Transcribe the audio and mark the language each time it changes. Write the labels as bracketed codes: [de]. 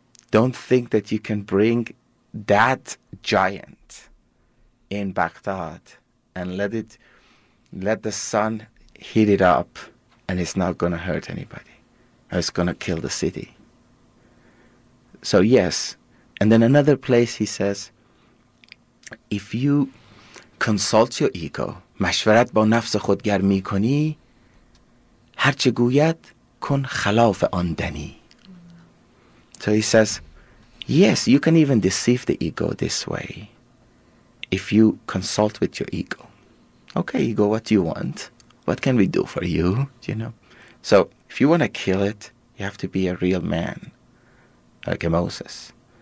[en] Don't think that you can bring that giant in Baghdad and let the sun heat it up, and it's not going to hurt anybody. It's going to kill the city. So yes. And then another place he says, if you consult your ego, [fa] مشورت با نفس خود گر می کنی هر چه گوید کن خلاف آن دنی. [en] So he says, yes, you can even deceive the ego this way if you consult with your ego. Okay, ego, what do you want? What can we do for you? Do you know? So if you want to kill it, you have to be a real man, like a Moses.